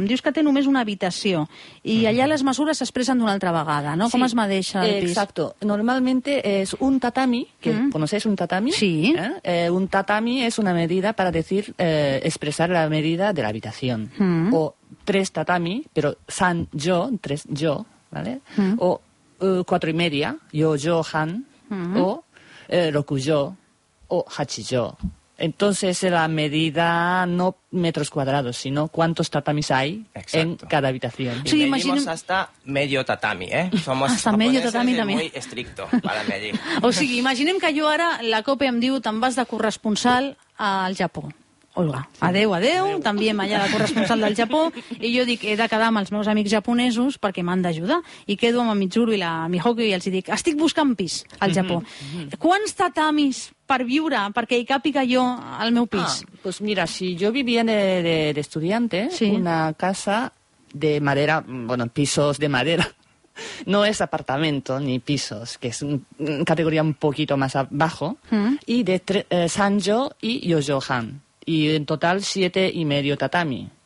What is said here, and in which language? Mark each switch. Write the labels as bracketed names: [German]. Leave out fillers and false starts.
[Catalan] Em dius que té només una habitació, i allà les mesures s'expressen d'una altra vegada, no? Sí. Com es mesura el pis? [Spanish] Exacto. Normalmente es un tatami, que ¿conocéis un tatami? Sí. Un tatami es una medida para decir, expresar la medida de la habitación. O tres tatami, pero san yo, tres yo, ¿vale? O 4.5, yo, yo, han. O 6 yo, o 8 yo. Entonces, la medida no metros cuadrados, sino cuántos tatamis hay. Exacto. En cada habitación. Sí, medimos hasta medio tatami, ¿eh? Somos hasta medio tatami también. Muy estricto para medir. [Catalan] O sigui, imaginem que jo ara la COPE em diu te'n vas de corresponsal al Japó. Olga, sí. adeu, també allà la corresponsal del Japó, i jo dic, he de quedar amb els meus amics japonesos perquè m'han d'ajudar, i quedo amb el Mitsuru i la Mihoko i els dic, estic buscant pis al Japó. Quants tatamis per viure, perquè hi càpiga jo al meu pis? [Spanish] Ah, pues mira, si jo vivia de estudiante, sí. Una casa de madera, bueno, pisos de madera. No es apartamento ni pisos, que es una categoría un poquito más abajo. Y de Sanjo y Yoyohan. Y en total 7.5 tatami.